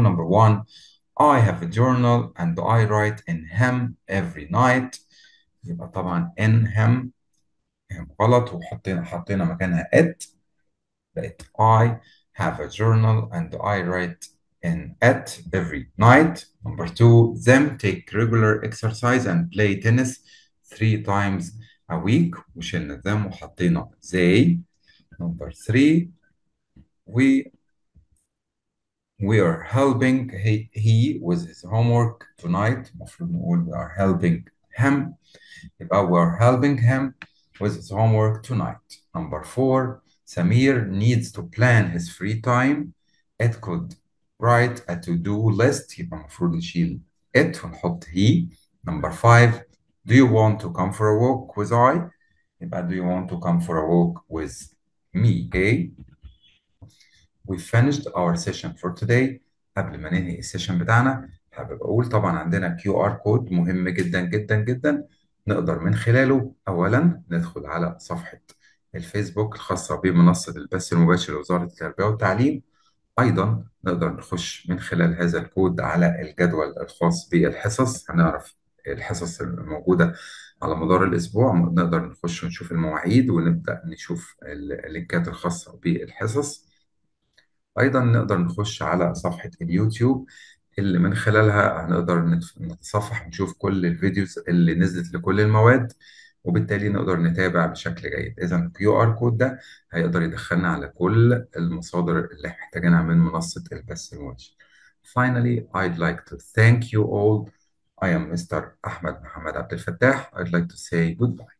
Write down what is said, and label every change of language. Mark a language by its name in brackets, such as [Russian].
[English] Number one, I have a journal and I write in him every night. [Arabic] يبقى طبعا in him. هم غلط وحطينا مكانها it. [English] بقت I have a journal and I write and at every night. Number two, them take regular exercise and play tennis three times a week. [Arabic] وشلنا them وحطينا they. [English] Number three, we are helping he with his homework tonight. [Arabic] مفروض نقول [English] we are helping him. يبقى we are helping him with his homework tonight. Number four, Samir needs to plan his free time. It could write a to-do list. [Arabic] يبقى المفروض نشيل it ونحط he. [English] Number five, do you want to come for a walk with I? يبقى do you want to come for a walk with me? Okay. We finished our session for today. [Arabic] قبل ما ننهي السيشن بتاعنا حابب اقول طبعا عندنا QR code مهم جدا جدا جدا، نقدر من خلاله اولا ندخل على صفحه الفيسبوك الخاصه بمنصه البث المباشر لوزاره التربيه والتعليم. أيضا نقدر نخش من خلال هذا الكود على الجدول الخاص بالحصص، هنعرف الحصص الموجودة على مدار الأسبوع، نقدر نخش ونشوف المواعيد ونبدأ نشوف اللينكات الخاصة بالحصص. أيضا نقدر نخش على صفحة اليوتيوب اللي من خلالها هنقدر نتصفح ونشوف كل الفيديوز اللي نزلت لكل المواد، وبالتالي نقدر نتابع بشكل جيد. إذا الـ QR كود ده هيقدر يدخلنا على كل المصادر اللي احتاجناها من منصة البث المباشر. [English] Finally, I'd like to thank you all. I am Mr. أحمد محمد عبد الفتاح. I'd like to say goodbye.